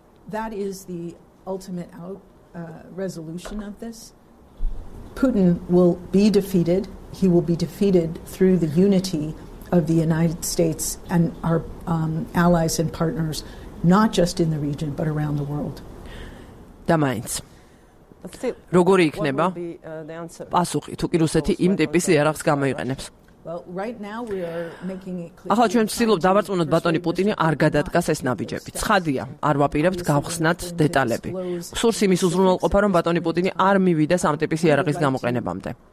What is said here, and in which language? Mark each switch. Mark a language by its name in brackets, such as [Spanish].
[English] That is the ultimate resolution of this. Putin will be defeated. He will be defeated through the unity of the United States and our allies and partners, not just in the region but around the world. Damains. [Georgian] როგორი იქნება პასუხი, თუ კი რუსეთი იმ ტიპის იარაღს გამოიყენებს? [English] Well, right now we are making it clear. [Georgian] ახლა ჩვენ ვცდილობთ დავარწმუნოთ ბატონი პუტინი არ გადადგას ეს ნაბიჯები. ცხადია, არ ვაპირებთ გავხსნათ დეტალები. სურს იმის უზრუნველყოფა, რომ ბატონი პუტინი არ მივიდეს ამ ტიპის იარაღის გამოყენებამდე.